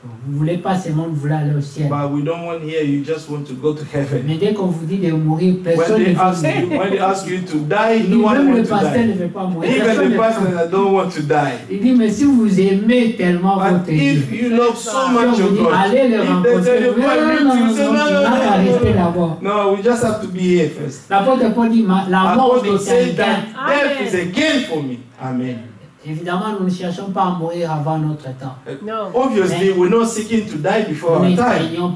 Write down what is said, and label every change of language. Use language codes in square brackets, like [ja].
[fr] Vous voulez pas seulement vous aller au ciel. [en] But we don't want here. You just want to go to heaven. [fr] Mais dès qu'on vous dit de mourir, personne ne veut mourir. [en] When they ask you to die, no one wants to die. [fr] Ne veut pas mourir. [en] Even the pastor don't want to die. [fr] Il dit, mais si vous aimez tellement [en] but [fr] votre [en] if [fr] Dieu, [en] you love so much your God, [fr] allez le rencontrer. [en] No, we just have to be here first. [fr] L'apôtre Paul dit, la mort est [en] gain. Death is a gain for me. Amen. [fr] Évidemment, nous ne cherchons pas à mourir avant notre temps. [en] No. Obviously, we're not seeking to die before our time.